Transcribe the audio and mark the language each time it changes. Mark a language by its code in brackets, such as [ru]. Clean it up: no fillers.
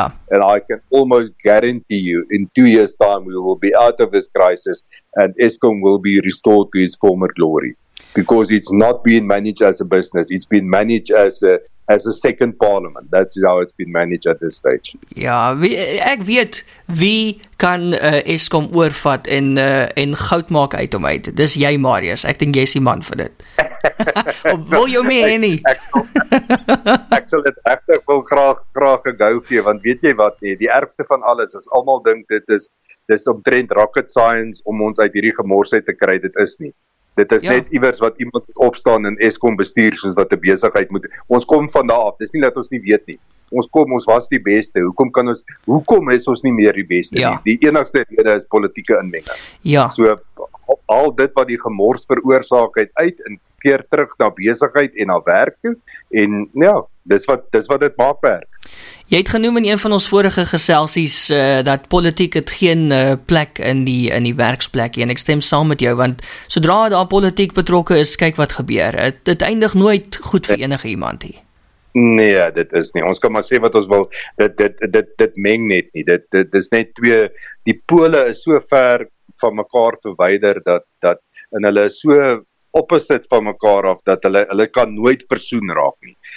[en] Yeah. And I can almost guarantee you in 2 years' time, we will be out of this crisis and Eskom will be restored to its former glory, because it's not being managed as a business. It's been managed as a second parliament. That's how it's been managed at this stage. [af] Ja, ek weet wie kan Eskom oorvat en goud maak uit hom uit. Dis jy, Marius. Ek dink jy is die man vir dit. Of wil jy mee, Annie? ek wil graag 'n gou gee, want weet jy wat, die ergste van alles is almal dink dit is omtrent rocket science om ons uit hierdie gemors uit te kry. Dit is nie. Dit is net iewers wat iemand moet opstaan en Eskom bestuur soos wat 'n besigheid moet. Ons kom van daar af. Dis nie dat ons nie weet nie. Ons was die beste. Hoekom is ons nie meer die beste nie? Die enigste rede is politieke inmenging. Ja. So al dit wat die gemors veroorsaak het uit en keer terug na besigheid en na werk toe. En ja, dis wat dit maak werk. Jy het genoem in een van ons vorige geselsies dat politiek het geen plek in die werksplekkie, en ek stem saam met jou, want sodra daar politiek betrokke is, kyk wat gebeur. Dit eindig nooit goed vir enige iemand nie. Nee, dit is nie. Ons kan maar sê wat ons wil. Dit meng net nie. Dit is net twee, die pole is so ver van mekaar verwyder dat en hulle is so opposite van mekaar af dat hulle kan nooit persoon raak nie.